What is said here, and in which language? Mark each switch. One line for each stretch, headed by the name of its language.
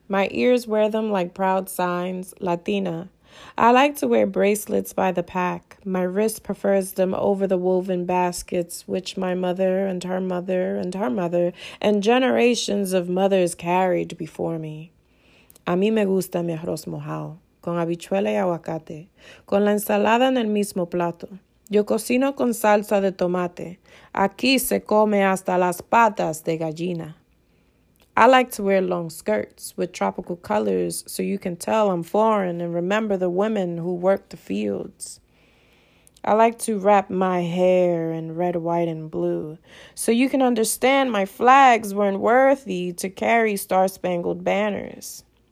English: My ears wear them like proud signs, Latina. I like to wear bracelets by the pack. My wrist prefers them over the woven baskets, which my mother and her mother and her mother and generations of mothers carried before me.
Spanish: A mí me gusta mi arroz mojado, con habichuela y aguacate, con la ensalada en el mismo plato. Yo cocino con salsa de tomate. Aquí se come hasta las patas de gallina.
English: I like to wear long skirts with tropical colors so you can tell I'm foreign and remember the women who work the fields. I like to wrap my hair in red, white, and blue so you can understand my flags weren't worthy to carry star-spangled banners.